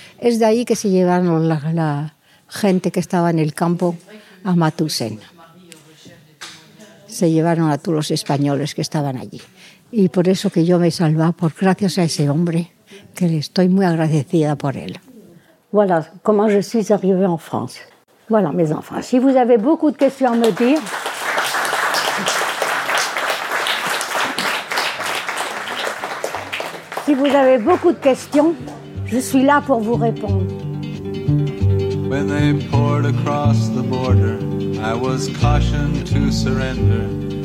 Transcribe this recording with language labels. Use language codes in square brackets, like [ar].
[es] Es de ahí que se llevaron la gente que estaba en el campo a Matusén. Se llevaron a todos los españoles que estaban allí. Y por eso que yo me he salvado, por gracias a ese hombre, que le estoy muy agradecida por él. [fr] Voilà, comment je suis arrivée en France. Voilà, mes enfants, si vous avez beaucoup de questions à me dire. Si vous avez beaucoup de questions, je suis là pour vous répondre. [en] When they poured across the border, I was cautioned to surrender.